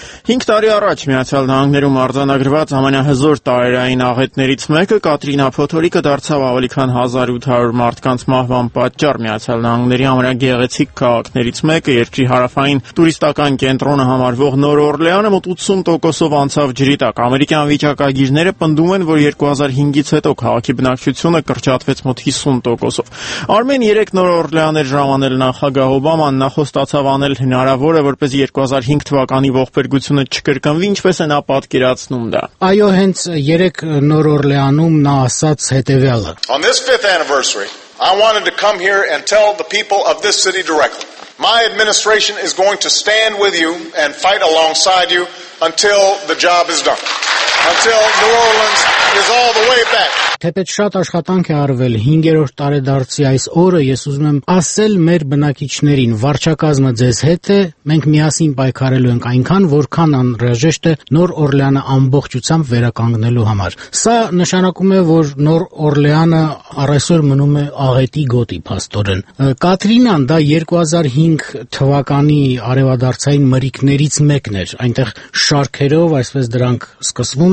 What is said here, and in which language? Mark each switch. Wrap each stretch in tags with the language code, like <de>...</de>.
<hy>5 տարի առաջ Միացյալ Նահանգներում արձանագրված ամենահզոր տարերային աղետներից մեկը Կատրինա Փոթորիկը դարձավ ավելի քան 1800 մարդկանց մահվան պատճառ։ Միացյալ Նահանգների ամենագեղեցիկ քաղաքներից մեկը, երկրի հարավային տուրիստական կենտրոնը համարվող Նոր Օրլեանը մոտ 80% անցավ ջրի տակ։ Ամերիկյան վիճակագիրները պնդում են, որ 2005-ից հետո քաղաքի բնակչությունը կրճատվեց մոտ 50%։ Արմեն 3 Նոր Օրլեաններ ժամանել նախագահ Օբաման նախոստացավ անել հնարավորը, որպեսզի 2005 թվականի ողբերգությունը չկրկնվի, ինչպես է նա պատկերացնում դա։ Այո, հենց 3 Նոր Օրլեանում նա ասաց հետևյալը.</hy> <en>On this 5th anniversary, I wanted to come here and tell the people of this city directly. My administration is going to stand with you and fight alongside you until the job is done. Until New Orleans is all the way back.</en> <hy>Թեպետ շատ աշխատանք է արվել 5-րդ տարեդարձի այս օրը, ես ուզում եմ ասել մեր բնակիչներին, վարչակազմը ձեզ հետ է, մենք միասին պայքարելու ենք այնքան, որքան անհրաժեշտ է Նոր Օրլեանը ամբողջությամբ վերականգնելու համար։ Սա նշանակում է, որ Նոր Օրլեանը առայսօր մնում է աղետի գոտի փաստորեն։ Կատրինան դա 2005 թվականի արևադարձային մրիկներից մեկն էր, այնտեղ շարքերով, այսպես դրանք սկսվում</hy>